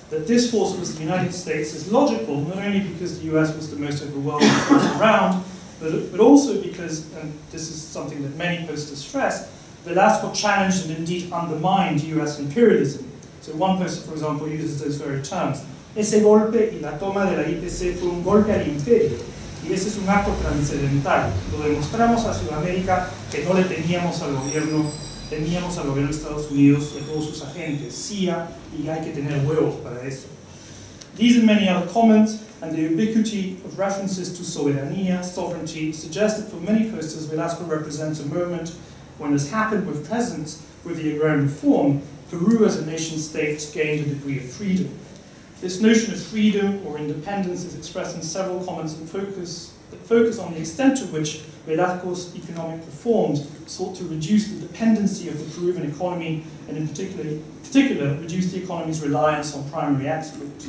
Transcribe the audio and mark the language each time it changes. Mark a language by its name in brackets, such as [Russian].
[English] that this force was the United States is logical, not only because the US was the most overwhelming force around, but also because, and this is something that many posters stress, Velasco challenged and indeed undermined US imperialism. So one poster, for example, uses those very terms. [Spanish] Ese golpe y la toma de la IPC fue un golpe al imperio. Y ese es un acto transcendental. Lo demostramos a Sudamérica que no le teníamos al gobierno, teníamos al gobierno de Estados Unidos y a todos sus agentes, CIA, y hay que tener huevos para eso. [English] These and many other comments and the ubiquity of references to soberanía, sovereignty, suggest that for many posters, Velasco represents a moment when this happened with peasants, with the agrarian reform, Peru as a nation state gained a degree of freedom. This notion of freedom or independence is expressed in several comments and focus on the extent to which Velasco's economic reforms sought to reduce the dependency of the Peruvian economy and in particular reduce the economy's reliance on primary export.